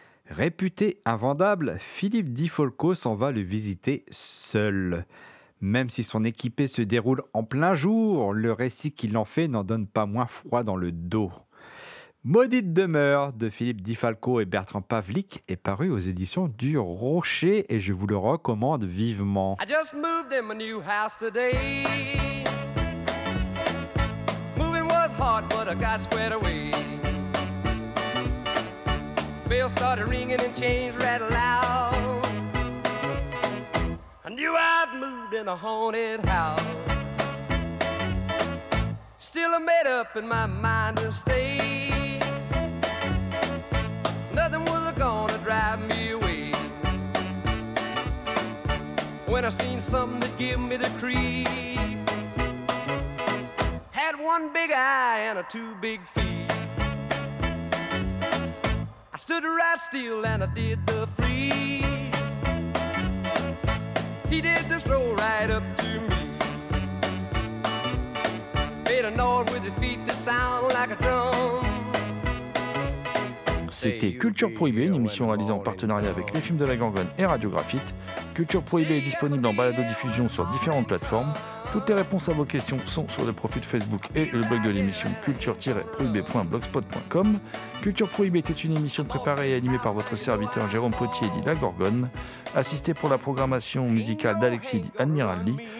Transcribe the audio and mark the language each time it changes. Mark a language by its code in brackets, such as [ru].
[fr] Réputé invendable, Philippe Di Folco s'en va le visiter seul. Même si son équipée se déroule en plein jour, le récit qu'il en fait n'en donne pas moins froid dans le dos. Maudite demeure de Philippe Di Folco et Bertrand Pavlik est paru aux éditions du Rocher et je vous le recommande vivement. [en] I just moved in my new house today. Moving was hard, but I got squared away. Bell started ringing and chains rattled loud. I knew I'd moved in a haunted house. Still I made up in my mind to stay. Nothing was gonna drive me away. When I seen something that give me the creep. Had one big eye and a two big feet. I stood right still and I did the freeze. He did the stroll right up to me. Made a noise with his feet that sound like a drum. [fr] C'était Culture Prohibée, une émission réalisée en partenariat avec Les Films de la Gorgone et Radio Graphite. Culture Prohibée est disponible en balado-diffusion sur différentes plateformes. Toutes les réponses à vos questions sont sur le profil Facebook et le blog de l'émission culture-prohibée.blogspot.com. Culture Prohibée était une émission préparée et animée par votre serviteur Jérôme Potier, dit La Gorgone, assisté pour la programmation musicale d'Alexis, dit Admiral Lee.